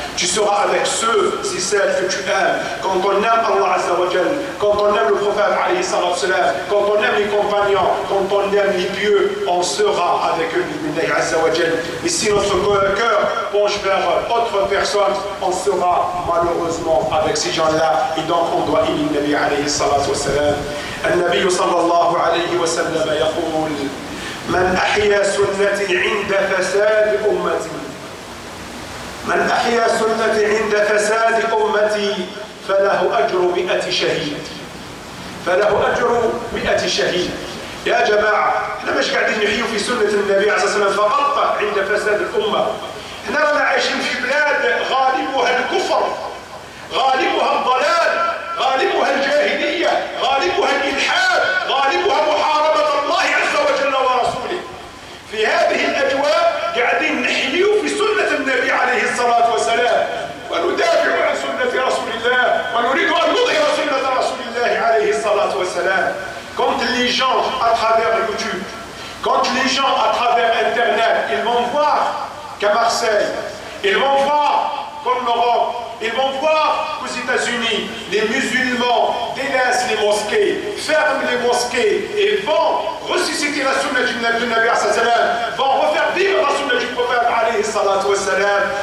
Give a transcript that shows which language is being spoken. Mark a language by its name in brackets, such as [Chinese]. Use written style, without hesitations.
[French] Tu seras avec ceux, c'est celles que tu aimes. Quand on aime Allah azza wa jal, quand on aime le prophète alayhi salatu wa salam, quand on aime les compagnons, quand on aime les pieux, on sera avec eux bi-Allah azza wa jal. Et si notre cœur penche vers autre personne, on sera malheureusement avec ces gens-là. Et donc on doit aimer le nabi alayhi salatu wa salam. [Arabic] النبي صلى الله عليه وسلم يقول من أحيا سنتي عند فساد أمتي من أحيا سنتي عند فساد أمتي فله أجر مئة شهيد فله أجر مئة شهيد. يا جماعة احنا مش قاعدين نحيو في سنة النبي عليه الصلاة والسلام فقط عند فساد الأمة، احنا رانا عايشين في بلاد غالبها الكفر، غالبها الضلال، غالبها الجاهلية، غالبها الإلحاد، غالبها محاربة الله عز وجل ورسوله. في هذه الأجواء قاعدين نحميه في سنة النبي عليه الصلاة والسلام وندافع عن سنة رسول الله ونريد أن نظهر سنة رسول الله عليه الصلاة والسلام. [French] Quand les gens à travers YouTube, quand les gens à travers Internet, ils vont voir qu'à Marseille. Ils vont voir qu'en Europe, ils vont voir qu'aux États-Unis, les musulmans délaissent les mosquées, ferment les mosquées et vont ressusciter la sunna du Nabi sallallahu alayhi wa sallam, vont refaire vivre la sunna du prophète alayhi sallallahu alayhi wa sallam.